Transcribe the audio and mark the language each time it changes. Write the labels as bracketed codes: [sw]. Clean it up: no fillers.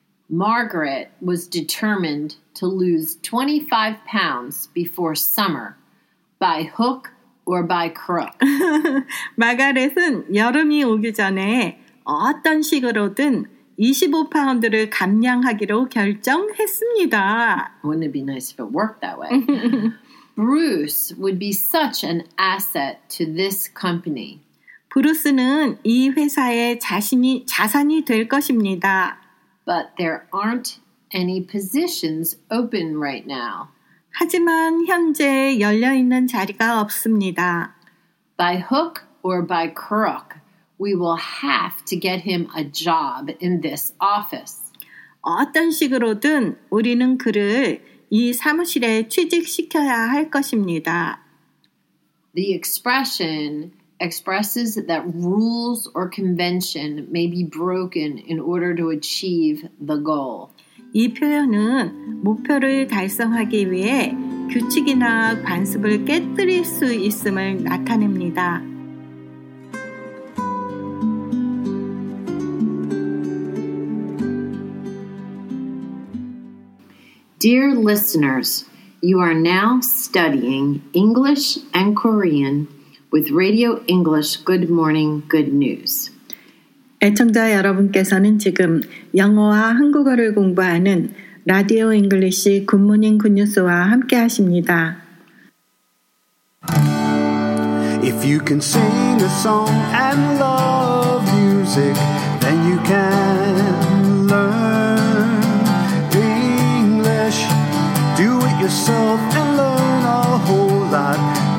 [en] Margaret was determined to lose 25 pounds before summer by hook or by crook. [ko] 마가렛은 여름이 오기 전에 어떤 식으로든 25파운드를 감량하기로 결정했습니다. [en] Wouldn't it be nice if it worked that way? Bruce would be such an asset to this company. [ko] 브루스는 이 회사의 자산이 될 것입니다. [en] But there aren't any positions open right now. [ko] 하지만 현재 열려 있는 자리가 없습니다. [en] By hook or by crook, we will have to get him a job in this office. [ko] 어떤 식으로든 우리는 그를 이 사무실에 취직시켜야 할 것입니다. [en] The expression expresses that rules or convention may be broken in order to achieve the goal. [ko] 이 표현은 목표를 달성하기 위해 규칙이나 관습을 깨뜨릴 수 있음을 나타냅니다. [en] Dear listeners, you are now studying English and Korean with Radio English Good Morning Good News. [ko] 애청자 여러분께서는 지금 영어와 한국어를 공부하는 라디오 잉글리시 굿모닝 굿뉴스와 함께 하십니다. [en] If you can sing a song and love music, then you can learn English. Do it yourself and learn a whole lot.